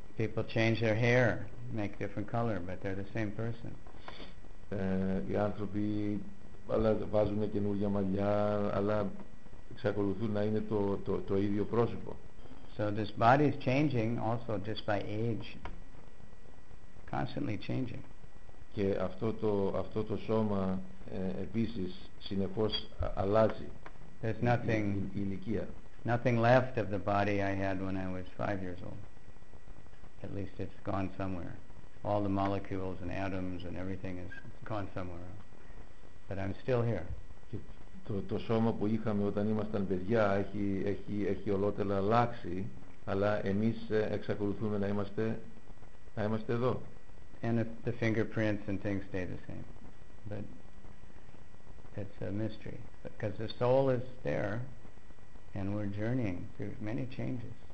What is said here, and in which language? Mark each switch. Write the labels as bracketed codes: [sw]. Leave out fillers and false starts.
[en] People change their hair, make different color, but they're the same person. [el] Οι άνθρωποι βάζουν καινούργια μαλλιά, αλλά εξακολουθούν να είναι το ίδιο πρόσωπο. [en] So this body is changing also just by age. Constantly changing. [el] Και αυτό το σώμα επίσης συνεχώς αλλάζει. [en] There's nothing, [el] η ηλικία. [en] Nothing left of the body I had when I was 5 years old. At least it's gone somewhere. All the molecules and atoms and everything is gone somewhere. But I'm still here. [el] Το σώμα που είχαμε όταν ήμασταν παιδιά έχει ολότελα αλλάξει, αλλά εμείς εξακολουθούμε να είμαστε εδώ. [en] And the fingerprints and things stay the same. But it's a mystery. Because the soul is there and we're journeying through many changes.